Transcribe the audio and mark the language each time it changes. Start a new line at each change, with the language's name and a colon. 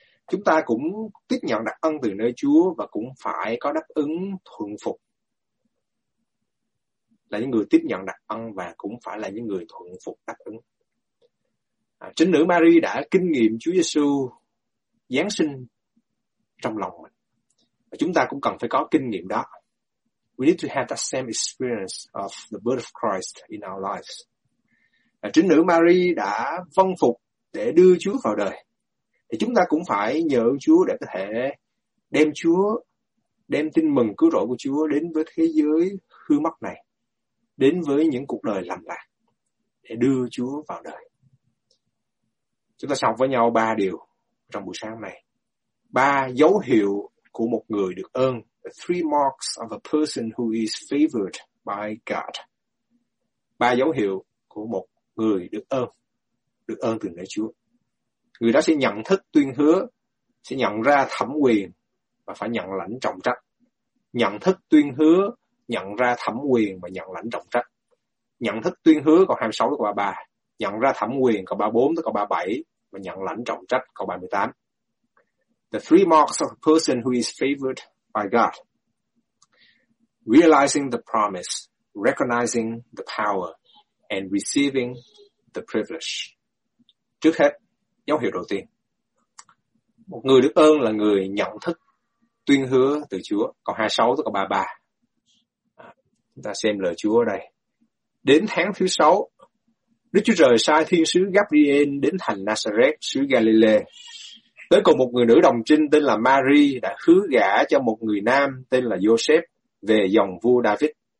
Vietnamese: Chúng ta cũng tiếp nhận đặc ân từ nơi Chúa và cũng phải có đáp ứng thuận phục. Là những người tiếp nhận đặc ân và cũng phải là những người thuận phục đáp ứng. Trinh nữ Mary đã kinh nghiệm Chúa Giêsu Giáng sinh trong lòng mình. chúng ta cũng cần phải có kinh nghiệm đó.
English: We need to have that same experience of the birth of Christ in our lives.
Vietnamese: Trinh nữ Mary đã vâng phục để đưa Chúa vào đời. Thì chúng ta cũng phải nhờ Chúa để có thể đem Chúa, đem tin mừng cứu rỗi của Chúa đến với thế giới hư mất này, đến với những cuộc đời lầm lạc, để đưa Chúa vào đời. Chúng ta sẽ học với nhau ba điều trong buổi sáng này. Ba dấu hiệu của một người được ơn.
English: Three marks of a person who is favored by God.
Vietnamese: Ba dấu hiệu của một người được ơn từ nơi Chúa. Người đó sẽ nhận thức tuyên hứa, sẽ nhận ra thẩm quyền và phải nhận lãnh trọng trách. Nhận thức tuyên hứa, nhận ra thẩm quyền và nhận lãnh trọng trách. Nhận thức tuyên hứa câu 26 đến câu 33, nhận ra thẩm quyền câu 34 đến câu 37 và nhận lãnh trọng trách câu 38.
English: The three marks of a person who is favored by God. Realizing the promise, recognizing the power, and receiving the privilege.
Vietnamese: Trước hết, dấu hiệu đầu tiên. Một người được ơn là người nhận thức tuyên hứa từ Chúa. Câu 26 tới câu 33. Chúng ta xem lời Chúa ở đây. Đến tháng thứ 6, Đức Chúa Trời sai thiên sứ Gabriel đến thành Nazareth, xứ Galilee, tới cùng một người nữ đồng trinh tên là Mary đã hứa gả cho một người nam tên là Joseph về dòng vua David.